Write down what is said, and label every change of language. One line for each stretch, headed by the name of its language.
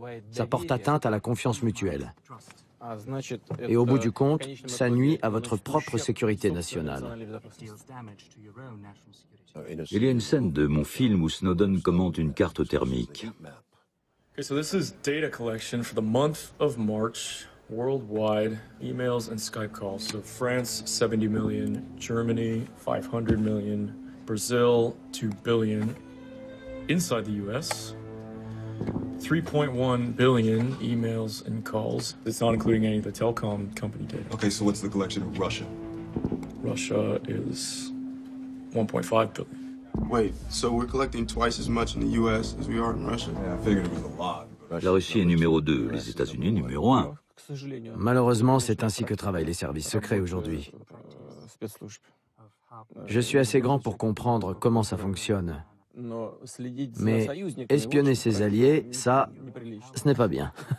French: Ça porte atteinte à la confiance mutuelle. Et au bout du compte, ça nuit à votre propre sécurité nationale. Il y a une scène de mon film où Snowden commente une carte thermique.
English: Okay, so this is data collection for the month of March, worldwide, emails and Skype calls. So France, 70 million, Germany, 500 million, Brazil, 2 billion, inside the US, 3.1 billion emails and calls. It's not including any of the telecom company data. Okay, so what's the collection of Russia? Russia is 1.5 billion. Wait, so we're collecting twice as much in the U.S. as we are in Russia? Yeah, I figured it was a lot.
French: La Russie est numéro 2, les États-Unis numéro 1. Malheureusement, c'est ainsi que travaillent les services secrets aujourd'hui. Je suis assez grand pour comprendre comment ça fonctionne. Mais espionner ses alliés, ça, ce n'est pas bien.